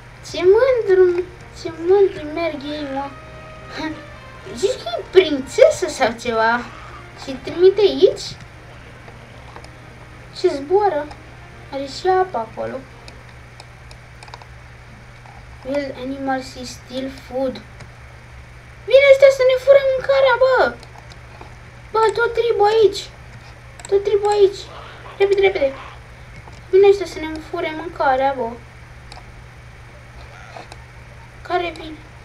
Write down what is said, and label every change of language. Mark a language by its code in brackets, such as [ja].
[ro] Ce mândru merg ei, mă. Zici că e prințesă sau ceva. Și trimite aici. Și zboară. Are și apă acolo. [en] Will animals steal food? [ro] Vine ăștia să ne fură mâncarea, bă! Bă, tot tribul aici! Tot tribul aici! Repede, repede! Vine ăștia să ne fure mâncarea, bă! Care vine?